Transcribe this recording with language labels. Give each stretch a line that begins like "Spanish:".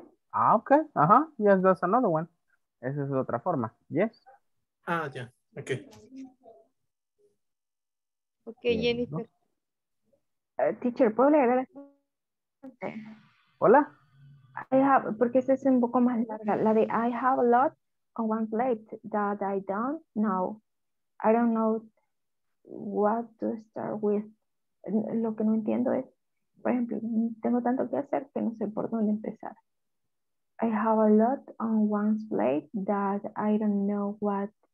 English: Ah, ok, ajá, uh-huh. Yes, that's another one.
Spanish: Esa es otra forma,
English: yes. Ah, ya. Yeah. Okay. Okay, Jennifer.
Spanish: Teacher, ¿puedo leer la siguiente? Hola.
English: I have,
Spanish: porque esta es un poco más larga. La de
English: I have a lot on one plate that I don't know. I don't know what to start with.
Spanish: Lo que no entiendo es, por ejemplo, tengo tanto que hacer que no sé por dónde empezar.
English: I have a lot on one plate that I don't know what